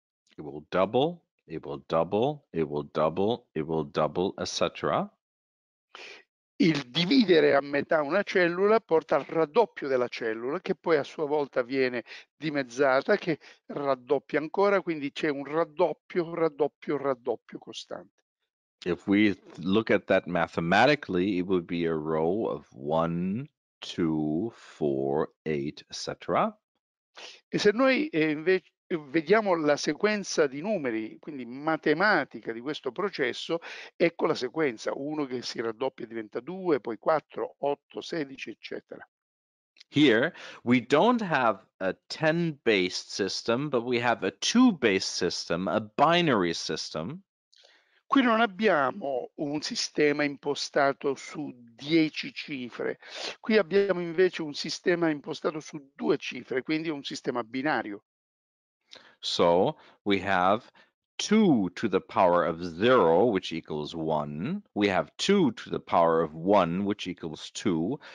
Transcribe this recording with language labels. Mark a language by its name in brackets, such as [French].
[English] It will double, it will double, it will double, it will double, etc. [Italian] Il dividere a metà una cellula porta al raddoppio della cellula, che poi a sua volta viene dimezzata, che raddoppia ancora, quindi c'è un raddoppio, raddoppio, raddoppio costante. [English] If we look at that mathematically, it would be a row of 1, 2, 4, 8, etc. [Italian] E se noi invece vediamo la sequenza di numeri, quindi matematica di questo processo, ecco la sequenza, 1 che si raddoppia diventa 2, poi 4, 8, 16, eccetera. [English] Here we don't have a 10-based system, but we have a 2-based system, a binary system. [Italian] Qui non abbiamo un sistema impostato su 10 cifre, qui abbiamo invece un sistema impostato su 2 cifre, quindi un sistema binario. [English] So we have 2 to the power of 0, which equals 1. We have 2 to the power of 1, which equals 2.